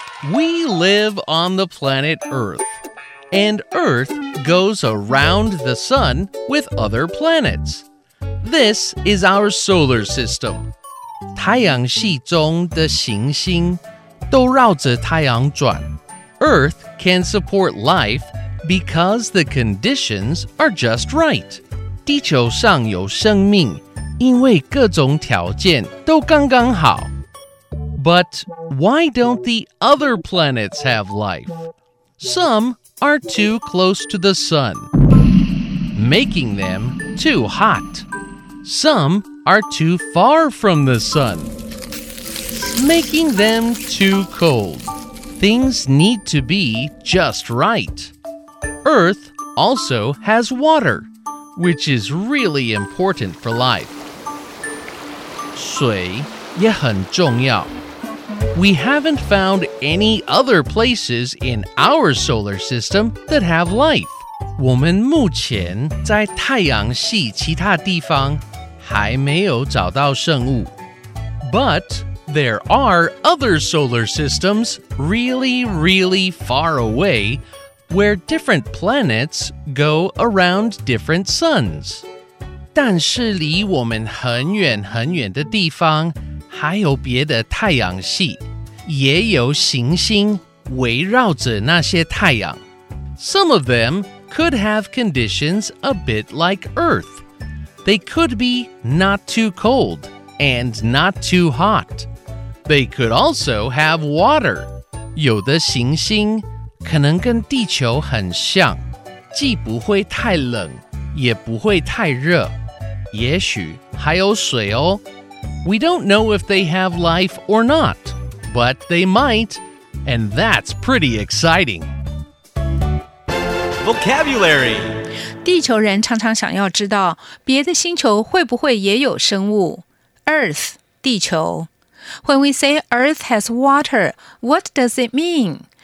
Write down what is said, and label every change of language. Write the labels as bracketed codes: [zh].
[en] We live on the planet Earth, and Earth goes around the sun with other planets. This is our solar system. [zh] 太阳系中的行星都绕着太阳转。 [en] Earth can support life because the conditions are just right. [zh] 地球上有生命，因为各种条件都刚刚好。 [en] But why don't the other planets have life? Some are too close to the sun, making them too hot. Some are too far from the sun, making them too cold. Things need to be just right. Earth also has water, which is really important for life. [zh] 水也很重要。 [en] We haven't found any other places in our solar system that have life. [zh] 我们目前在太阳系其他地方还没有找到生物。 [en] But there are other solar systems really, really far away where different planets go around different suns. [zh] 但是离我们很远很远的地方还有别的太阳系，也有行星围绕着那些太阳。 [en] Some of them could have conditions a bit like Earth. They could be not too cold and not too hot. They could also have water. [zh] 有的行星可能跟地球很像，既不会太冷，也不会太热。也许还有水哦。 [en] We don't know if they have life or not, but they might, and that's pretty exciting. Vocabulary. [zh] 地球人常常想要知道别的星球会不会也有生物。 [en] Earth, 地球。 When we say Earth has water, what does it mean?